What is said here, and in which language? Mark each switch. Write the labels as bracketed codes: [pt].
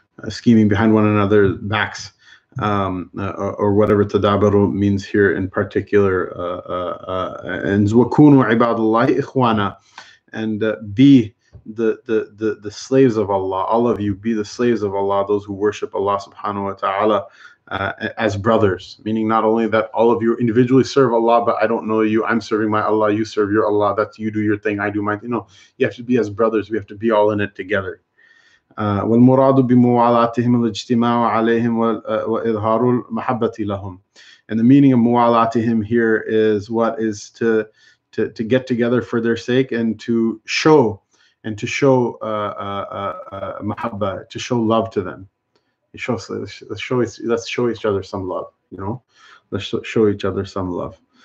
[en] Scheming behind one another's backs. Or whatever tadabaru means here in particular, and [ar] wakunu ibadullahi ikhwana, [en] and be the slaves of Allah, all of you be the slaves of Allah, those who worship Allah subhanahu wa ta'ala, as brothers, meaning not only that all of you individually serve Allah, but I don't know you, I'm serving my Allah, you serve your Allah, that's you do your thing, I do mine. No, you have to be as brothers, we have to be all in it together. [ar] والمراد بموالاتهم الاجتماع عليهم وإظهار المحبة لهم. [en] And the meaning of موالاتهم here is what is to get together for their sake and to show محبة, to show love to them. Let's show each other some love. You know, let's show each other some love.